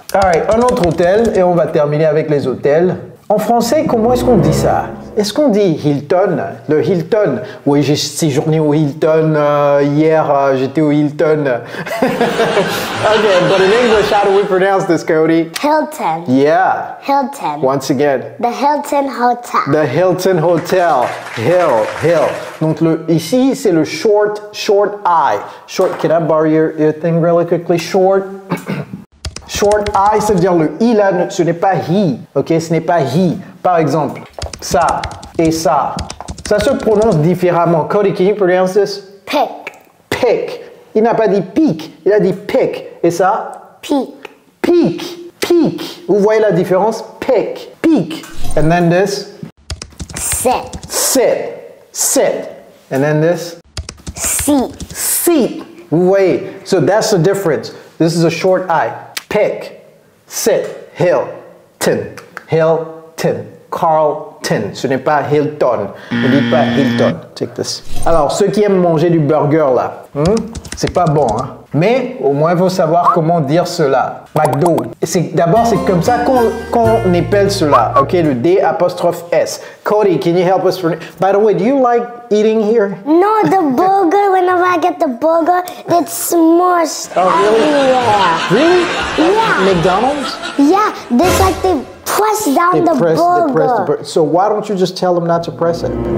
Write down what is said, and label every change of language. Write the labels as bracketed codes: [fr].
[fr] Alright, un autre hôtel, et on va terminer avec les hôtels. En français, comment est-ce qu'on dit ça? Est-ce qu'on dit Hilton? Le Hilton? Oui, j'ai séjourné au Hilton hier, j'étais au Hilton. [en] Okay, but in English, how do we pronounce this, Cody? Hilton. Yeah. Hilton. Once again. The Hilton Hotel. The Hilton Hotel. Hill. [fr] Donc le, ici, c'est le short I. [en] Short, can I borrow your thing really quickly? Short. [fr] Short I, ça veut dire le I là, ce n'est pas he, ok, ce n'est pas he. Par exemple, ça et ça, ça se prononce différemment. [en] Cody, can you pronounce this? Pick. Pick. [fr] Il n'a pas dit pick, il a dit pick. Et ça? [en] Peak. Peak. Peak. [fr] Vous voyez la différence? [en] Pick. Peak. And then this? Sit. Sit. Sit. And then this? Seat. Seat. [fr] Vous voyez? [en] So that's the difference. This is a short I. Pick, sit, Hilton, Carlton. [fr] Ce n'est pas Hilton. On dit pas Hilton. [en] Take this. [fr] Alors, ceux qui aiment manger du burger là, c'est pas bon, hein? Mais au moins, il faut savoir comment dire cela. McDo. C'est, d'abord, c'est comme ça qu'on appelle cela. [en] OK, [fr] le D apostrophe S. [en] Cody, can you help us? By the way, do you like eating here? No, the burger, whenever I get the burger, it's smushed. Oh, really? Yeah. Really? Yeah. McDonald's? Yeah, they like they press down they the press, burger. They press the burger. So why don't you just tell them not to press it?